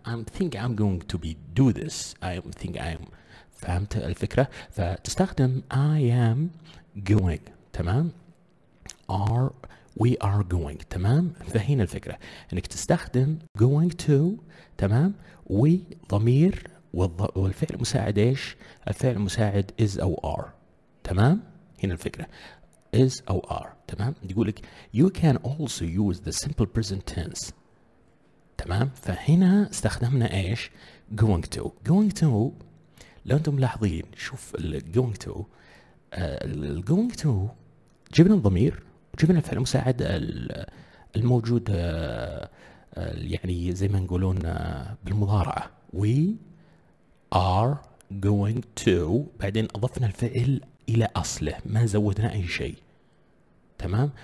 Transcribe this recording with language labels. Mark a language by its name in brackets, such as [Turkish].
[English] I think I'm going to be do this I think I'm [Arabic] فهمت الفكرة فتستخدم [English] I am going. تمام. are we are going. تمام. [Arabic] فهين الفكرة انك تستخدم [English] going to [Arabic] تمام we ضمير والفعل المساعد ايش الفعل المساعد is او are. تمام. هنا الفكرة is أو are. تمام. يقولك [English] you can also use the simple present tense. [Arabic] تمام. فهنا استخدمنا إيش going to. going to لو أنتم ملاحظين شوف ال going to going to جبنا الضمير وجبنا الفعل المساعد الموجود يعني زي ما نقولون بالمضارعة [English] we are going to [Arabic] بعدين أضفنا الفعل إلى أصله ما زودنا أي شيء. تمام.